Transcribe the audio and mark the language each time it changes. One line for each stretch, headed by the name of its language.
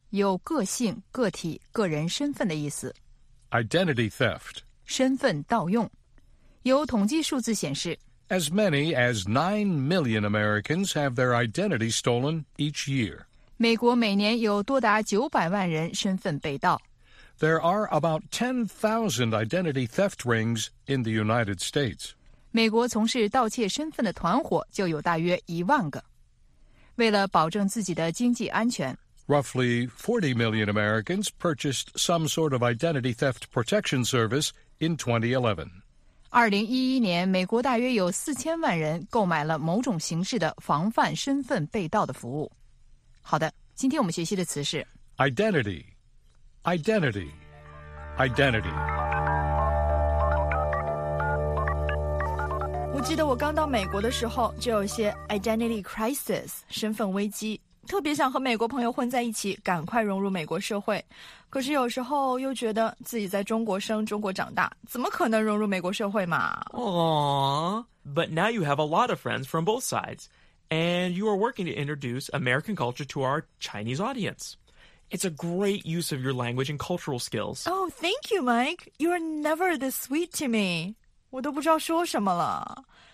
Chinese: 有个性、个体、个人身份的意思。
English: Identity theft.
Chinese: 身份盗用。有统计数字显示
English: As many as 9 million Americans have their identity stolen each year.
Chinese: 美国每年有多达900万人身份被盗。
English: There are about 10,000 identity theft rings in the United States.
Chinese: 美国从事盗窃身份的团伙就有大约1万个。为了保证自己的经济安全
English: Roughly 40 million Americans purchased some sort of identity theft protection service in 2011.
Chinese: 2011年，美国大约有4000万人购买了某种形式的防范身份被盗的服务。好的，今天我们学习的词是
English: identity, identity, identity。
Chinese: 我记得我刚到美国的时候，就有些
English: identity crisis,
Chinese: 身份危机，特别想和美国朋友混在一起，赶快融入美国社会。可是有时候又觉得自己在中国生、中国长大，怎么可能融入美国社会嘛？
English: But now you have a lot of friends from both sides, and you are working to introduce American culture to our Chinese audience. It's a great use of your language and cultural skills. Oh, thank you, Mike. You are never this sweet to me.
Chinese: 我都不知道说什么了。